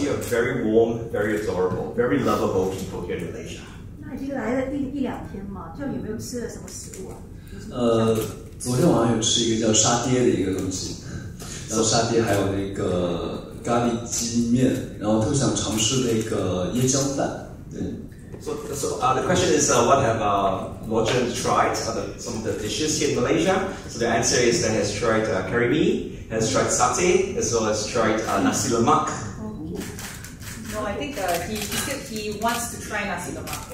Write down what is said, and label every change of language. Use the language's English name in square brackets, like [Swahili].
[English] you are very warm, very adorable, very lovable people here in Malaysia. [Chinese] 那已经来了一两天嘛，就有没有吃了什么食物啊？昨天晚上有吃一个叫沙爹的一个东西。然后沙爹还有那个咖喱鸡面，然后特想尝试那个椰浆饭。对。 [English] So the question is, what have Luo Zhen tried, some of the dishes here in Malaysia? So the answer is that he has tried curry mee, has tried satay, as well as tried nasi lemak. No, I think he wants to try nasi lemak.